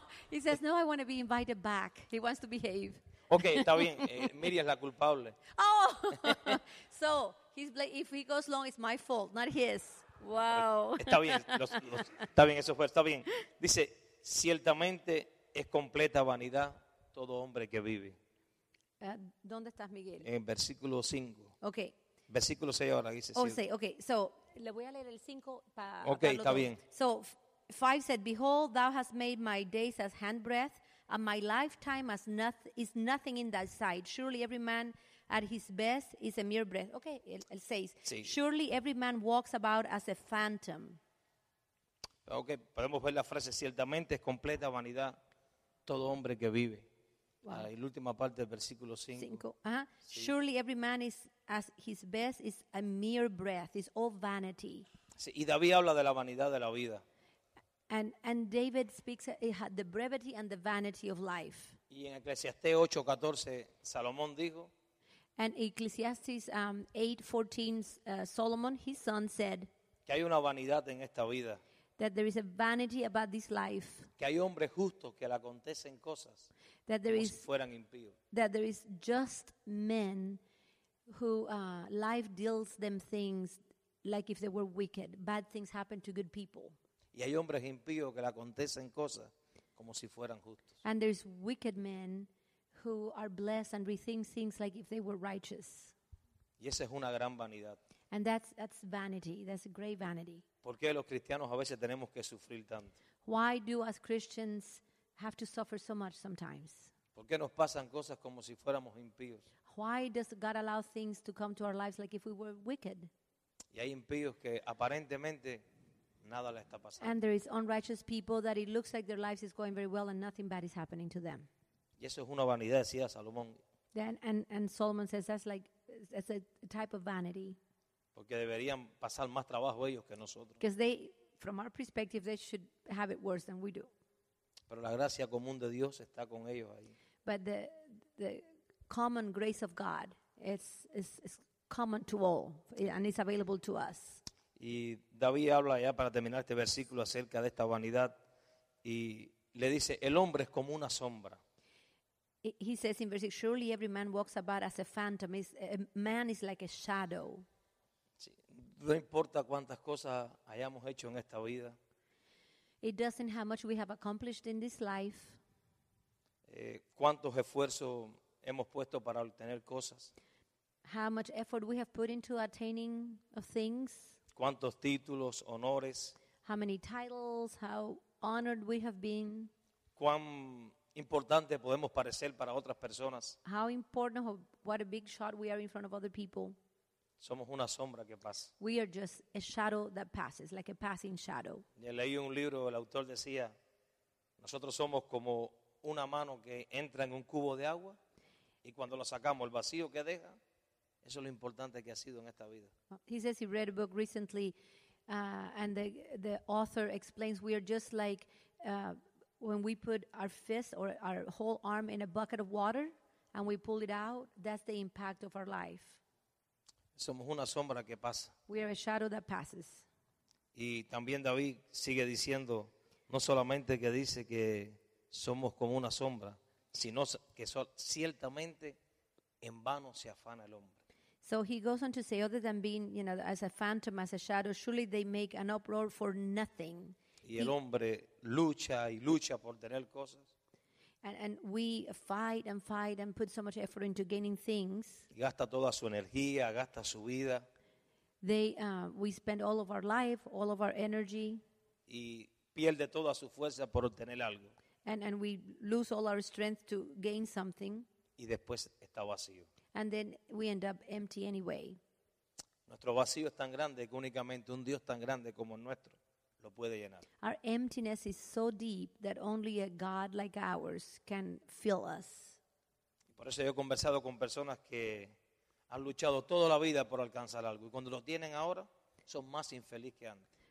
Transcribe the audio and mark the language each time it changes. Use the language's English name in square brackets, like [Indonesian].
[English] He says, no, I want to be invited back. He wants to behave. [Spanish] Okay, está bien. Miriam es la culpable. [English] Oh, so if he goes long, it's my fault, not his. Wow. [Spanish] Está bien, está bien, eso fue, está bien. Dice, ciertamente es completa vanidad todo hombre que vive. ¿Dónde estás, Miguel? En versículo 5. Ok. Versículo 6 ahora dice. Oh, 6, ok. So, le voy a leer el 5 para... Ok, está todo. Bien. [English] So, 5 said, behold, thou hast made my days as handbreadth, and my lifetime as is nothing in thy sight. Surely every man at his best is a mere breath. [Spanish] Ok, el 6. Sí. [English] Surely every man walks about as a phantom. [Spanish] Ok, podemos ver la frase, ciertamente es completa vanidad todo hombre que vive. Wow. La última parte del versículo 5. Uh-huh. Sí. [English] Surely every man is as his best is a mere breath. It's all vanity. [Spanish] Sí. Y David habla de la vanidad de la vida. [English] And David speaks of the brevity and the vanity of life. [Spanish] Y en Eclesiastés 8:14 Salomón dijo. [English] And Ecclesiastes 8:14 Solomon, his son, said. [Spanish] Que hay una vanidad en esta vida. [English] That there is a vanity about this life. [Spanish] Que hay hombres justos que le acontecen cosas. [English] That there, that there is just men who life deals them things like if they were wicked. Bad things happen to good people. [Spanish] Y hay hombres impíos que le acontecen cosas como si fueran justos. [English] And there is wicked men who are blessed and rethink things like if they were righteous. [Spanish] Y esa es una gran vanidad. [English] And that's vanity. That's a great vanity. [Spanish] ¿Por qué los cristianos a veces tenemos que sufrir tanto? [English] Why do us Christians have to suffer so much sometimes? [Spanish] ¿Por qué nos pasan cosas como si fuéramos impíos? [English] Why does God allow things to come to our lives like if we were wicked? [Spanish] Y hay impíos que aparentemente nada les está pasando. [English] And there is unrighteous people that it looks like their lives is going very well and nothing bad is happening to them. [Spanish] Y eso es una vanidad, decía Salomón. [English] Then and Solomon says that's like it's a type of vanity. [Spanish] Porque deberían pasar más trabajo ellos que nosotros. [English] Because they, from our perspective, they should have it worse than we do. [Spanish] Pero la gracia común de Dios está con ellos ahí. [English] But the common grace of God is common to all and it's available to us. [Spanish] Y David habla ya para terminar este versículo acerca de esta vanidad y le dice, el hombre es como una sombra. [English] He says in verse 6, surely every man walks about as a phantom. A man is like a shadow. [Spanish] No importa cuántas cosas hayamos hecho en esta vida. [English] It doesn't how much we have accomplished in this life. [Spanish] Cuántos esfuerzos hemos puesto para obtener cosas. [English] How much effort we have put into attaining of things. [Spanish] Cuántos títulos, honores. [English] How many titles, how honored we have been. [Spanish] Cuán importante podemos parecer para otras personas. [English] How important, what a big shot we are in front of other people. [Spanish] Somos una sombra que pasa. [English] We are just a shadow that passes, like a passing shadow. [Spanish] Leí un libro, el autor decía, nosotros somos como una mano que entra en un cubo de agua y cuando lo sacamos, el vacío que deja, eso es lo importante que ha sido en esta vida. [English] He says he read a book recently and the author explains we are just like when we put our fist or our whole arm in a bucket of water and we pull it out, that's the impact of our life. [Spanish] Somos una sombra que pasa. [English] We are a shadow that passes. [Spanish] Y también David sigue diciendo, no solamente que dice que somos como una sombra, sino que ciertamente en vano se afana el hombre. [English] So he goes on to say, other than being, you know, as a phantom, as a shadow, surely they make an uproar for nothing. [Spanish] Y el hombre lucha y lucha por tener cosas. [English] And we fight and fight and put so much effort into gaining things. [Spanish] Gasta toda su energía, gasta su vida. [English] We spend all of our life, all of our energy. [Spanish] Y pierde toda su fuerza por obtener algo. [English] And we lose all our strength to gain something. [Spanish] Y después está vacío. [English] And then we end up empty anyway. [Spanish] Nuestro vacío es tan grande que únicamente un Dios tan grande como el nuestro. Lo puede llenar. [English] Our emptiness is so deep that only a God like ours can fill us. [Spanish] Por eso yo he conversado con personas que han luchado toda la vida por alcanzar algo y cuando lo tienen ahora son más infeliz que antes.